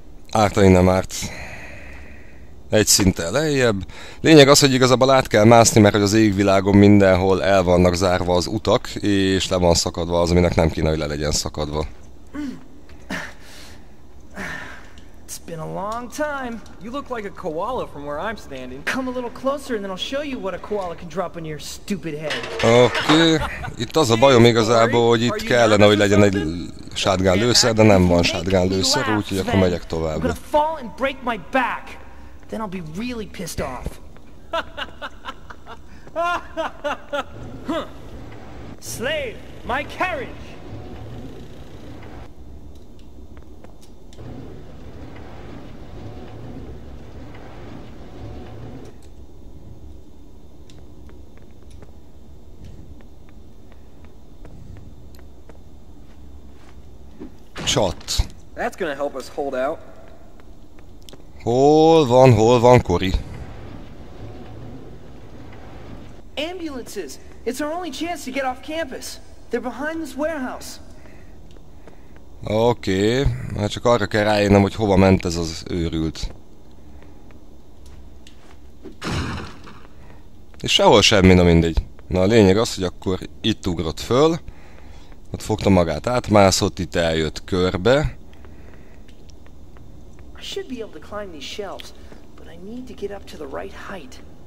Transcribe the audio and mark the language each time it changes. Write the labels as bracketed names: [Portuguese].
[Hungarian] Ártani nem árt. Egy szinttel lejjebb. Lényeg az, hogy igazából át kell mászni, mert hogy az égvilágon mindenhol el vannak zárva az utak, és le van szakadva az, aminek nem kéne, hogy le legyen szakadva. [English] Been a long time. You look like a koala from where I'm standing. Come a little closer and then I'll show you what a koala can drop on your stupid head. Okay. [Hungarian] Itt az a bajom igazából, hogy itt kellene, hogy legyen egy sátgán lőszer, de nem van sátgán lőszer, úgyhogy akkor megyek tovább. [English] I'm gonna fall and break my back. Then I'll be really pissed off. Slave, my carriage. Shot. That's gonna help us hold out. [Hungarian] Hol van, Kori? [English] Ambulances! It's our only chance to get off campus. They're behind this warehouse. [Hungarian] Oké, okay. Hát csak arra kell rájönnem, hogy hova ment ez az őrült. És sehol semmi, na mindegy. Na a lényeg az, hogy akkor itt ugrott föl. Ott fogta magát, átmászott, itt eljött körbe. [English] I should be able to climb these shelves, but I need to get up to the right height.